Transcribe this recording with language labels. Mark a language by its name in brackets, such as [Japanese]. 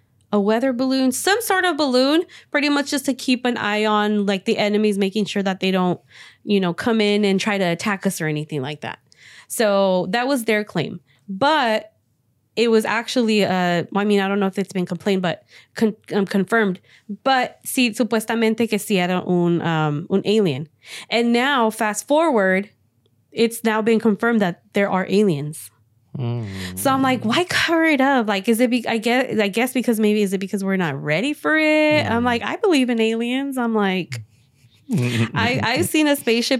[English] A weather balloon, some sort of balloon, pretty much just to keep an eye on like the enemies, making sure that they don't, you know, come in and try to attack us or anything like that. So that was their claim, but it was actually, I don't know if it's been complained, but confirmed. [Spanish] But sí, supuestamente que sí era un alien. [English] And now, fast forward, it's now been confirmed that there are aliens. Mm. So I'm like, why cover it up? Like, is it because we're not ready for it? Mm. I'm like, I believe in aliens. I'm like, I've seen a spaceship.